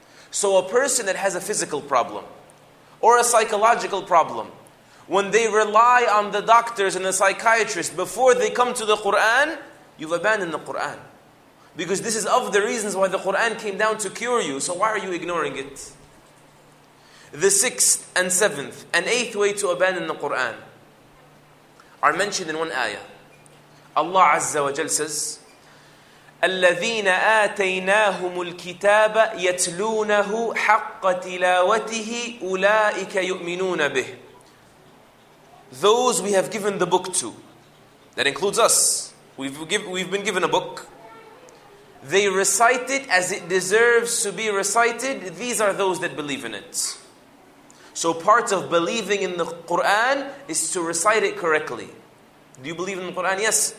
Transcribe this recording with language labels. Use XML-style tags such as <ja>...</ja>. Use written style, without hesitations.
<en>So a person that has a physical problem or a psychological problem, when they rely on the doctors and the psychiatrists before they come to the Qur'an, you've abandoned the Qur'an. Because this is of the reasons why the Qur'an came down to cure you. So why are you ignoring it? The sixth and seventh and eighth way to abandon the Qur'an are mentioned in one ayah. Allah Azza wa Jal says,</en> <ar>الَّذِينَ آتَيْنَاهُمُ الْكِتَابَ يَتْلُونَهُ حَقَّ تِلَاوَتِهِ أُولَٰئِكَ يُؤْمِنُونَ بِهِ.</ar> <en>Those we have given the book to. That includes us. We've been given a book. They recite it as it deserves to be recited. These are those that believe in it. So part of believing in the Qur'an is to recite it correctly. Do you believe in the Qur'an? Yes.</en>